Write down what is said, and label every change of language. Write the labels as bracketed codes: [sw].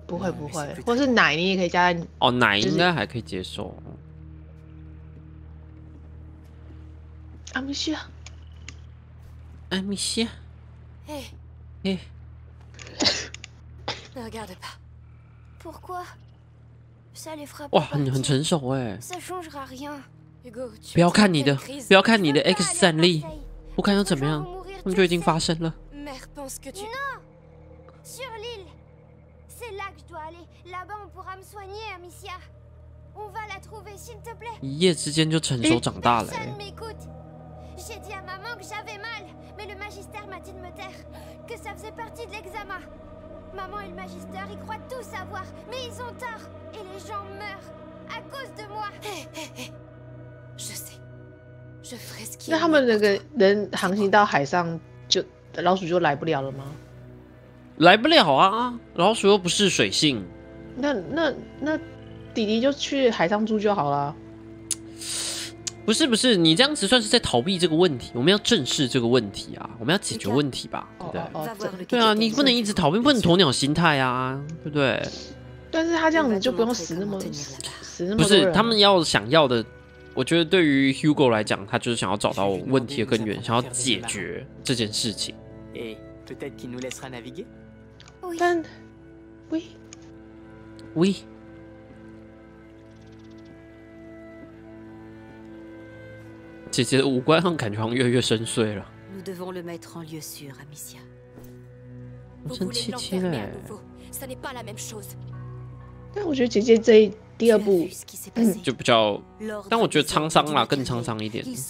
[zh] 不会不会，或是奶你也可以加在哦，奶应该还可以接受。阿米西亚，阿米西亚，嘿，嘿。 [fr] Ne regardez pas. Pourquoi? Ça les fera pas. [zh] 哇，很成熟哎。 [fr] Ça changera rien. [zh] Hugo, 不要看你的，不要看你的 X 战力，不看又怎么样？他们就已经发生了。 [fr] Mère pense que tu. Non. Sur l'île, c'est là que je dois aller. Là-bas, on pourra me soigner, Amicia. On va la trouver, s'il te plaît. [zh] 一夜之间就成熟长大了。 [fr] Personne m'écoute. J'ai dit à maman que j'avais mal, mais le magistère m'a dit de me taire, que ça faisait partie de l'examen. Maman et le magistère, ils croient tout savoir, mais ils ont tort. Et les gens meurent à cause de moi. Je sais. Je ferai ce qu'il faut. [zh] 那他们那个人航行到海上，就老鼠就来不了了吗？来不了啊，老鼠又不是水性。那弟弟就去海上住就好了。不是不是，你这样子算是在逃避这个问题，我们要正视这个问题啊，我们要解决问题吧，对不对？哦哦哦，对啊，你不能一直逃避，不能鸵鸟心态啊，对不对？但是他这样子就不用死那么死那么。不是，他们要想要的，我觉得对于 Hugo 来讲，他就是想要找到问题的根源，想要解决这件事情。 [fr] Peut-être qu'il nous laissera naviguer. Oui. Ben, oui. Oui. Tiens, tiens, [zh] 五官好像感觉好像越来越深邃了。 [fr] Nous devons le mettre en lieu sûr, Amicia. Vous voulez l'enfermer à nouveau? Ça n'est pas la même chose. [zh] 但我觉得姐姐这第二部，就比较，但我觉得沧桑啦，更沧桑一点，